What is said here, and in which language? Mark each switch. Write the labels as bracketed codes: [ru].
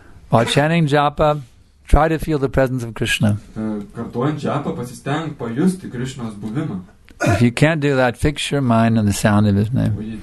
[en] While chanting japa, try to feel the presence of Krishna. [lt] Kartuojant japa, pasistenk pajusti Krishnos buvimą. [en] If you can't do that, fix your mind on the sound of his name.